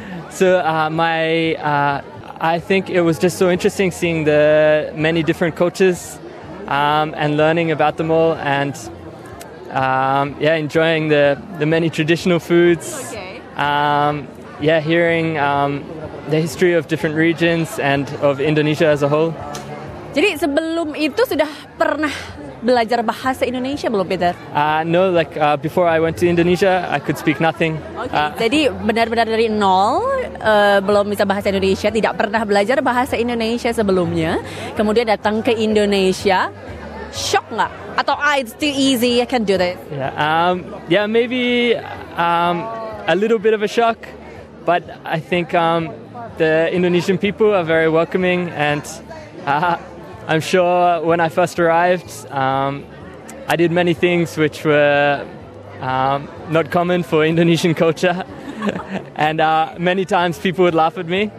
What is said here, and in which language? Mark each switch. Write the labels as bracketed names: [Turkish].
[English] So I think it was just so interesting seeing the many different cultures and learning about them all and enjoying the many traditional foods. Okay. Hearing the history of different regions and of Indonesia as a whole. [Indonesian] Jadi sebelum itu sudah pernah belajar bahasa Indonesia belum, Peter? [English] No, before I went to Indonesia, I could speak nothing. [Indonesian] Okay, jadi benar-benar dari nol, belum bisa bahasa Indonesia, tidak pernah belajar bahasa Indonesia sebelumnya. Kemudian datang ke Indonesia, shock nggak? Atau, [English] it's too easy, I can do this? Maybe a little bit of a shock, but I think the Indonesian people are very welcoming and... I'm sure when I first arrived, I did many things which were not common for Indonesian culture, and many times people would laugh at me.